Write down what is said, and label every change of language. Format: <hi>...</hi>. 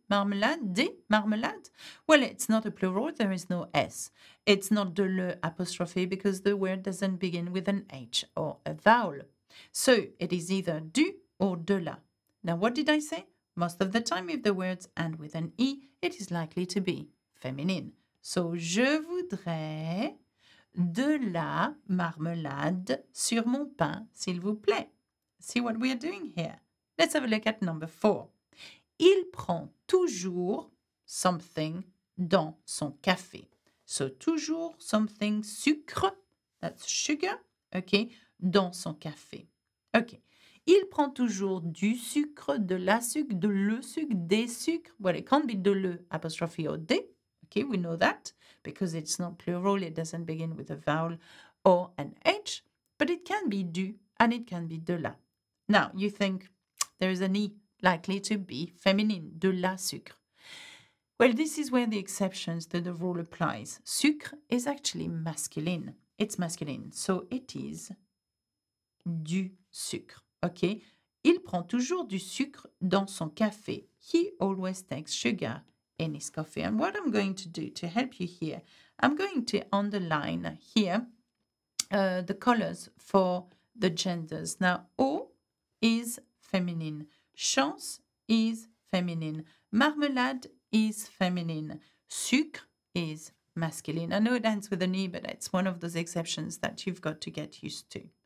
<fr>marmelade, des marmelades?</fr> <en>Well, it's not a plural, there is no S. It's not de le apostrophe because the word doesn't begin with an H or a vowel. So it is either du or de la. Now, what did I say? Most of the time, if the words end with an E, it is likely to be feminine. So</en> <fr>je voudrais de la marmelade sur mon pain, s'il vous plaît.</fr> <en>See what we are doing here. Let's have a look at number four.</en> <fr>Il prend toujours</fr> <en>something</en> <fr>dans son café.</fr> <en>So, toujours something sucre, that's sugar, okay,</en> <fr>dans son café.</fr> <en>Okay.</en> <fr>Il prend toujours du sucre, de la sucre, de le sucre, des sucres.</fr> <en>Well, it can't be de le apostrophe or des. Okay, we know that because it's not plural. It doesn't begin with a vowel or an H. But it can be du and it can be de la. Now, you think there is an E. Likely to be feminine,</en> <fr>de la sucre.</fr> <en>Well, this is where the exceptions to the rule applies. Sucre is actually masculine. It's masculine, so it is du sucre, okay?</en> <fr>Il prend toujours du sucre dans son café.</fr> <en>He always takes sugar in his coffee. And what I'm going to do to help you here, I'm going to underline here the colors for the genders. Now, O is feminine. Chance is feminine. Marmelade is feminine. Sucre is masculine. I know it ends with an E, but it's one of those exceptions that you've got to get used to.</en>